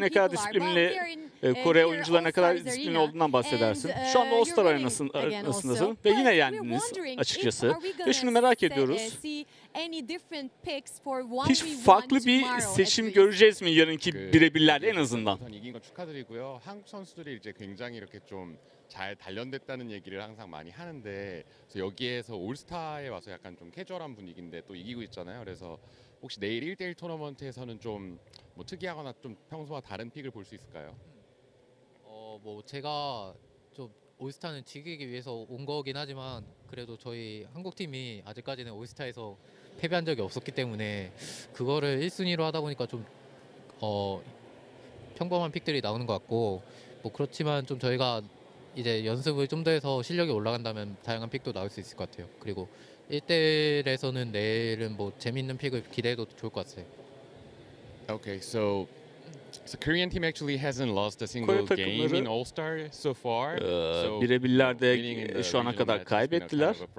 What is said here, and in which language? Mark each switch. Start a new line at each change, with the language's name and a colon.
Turkish: ne kadar disiplinli, Kore oyuncuları ne kadar disiplinli olduğundan bahsedersin. Şu anda All-Star arenasındasın ve yine yendiniz açıkçası. Ve şunu merak ediyoruz. Hiç farklı bir seçim göreceğiz mi yarınki birebirlerde en azından?
Korean: Tal 단련됐다는 얘기를 항상 많이 하는데 그래서 여기에서 올스타에 와서 약간 좀 캐주얼한 분위기인데 또 이기고 있잖아요. 그래서 혹시 내일 1대1 토너먼트에서는 좀 뭐 특이하거나 좀 평소와 다른 픽을 볼 수 있을까요? 뭐 제가 좀 올스타는 튀기기 위해서 온 거긴 하지만 그래도 저희 한국 팀이 아직까지는 올스타에서 패배한 적이 없었기 때문에 그거를 1순위로 하다 보니까 좀 평범한 픽들이 나오는 것 같고 뭐 그렇지만 좀 저희가 이제 연습을 좀 더 해서 실력이 올라간다면 다양한 픽도 나올 수 있을 것 같아요. 그리고 1대1에서는 내일은 뭐 재밌는 픽을 기대해도 좋을 것 같아요.
English: Okay, so the Korean team actually hasn't lost a single game in All-Star so far.
Turkish: 1v1'lerde şu ana kadar kaybettiler.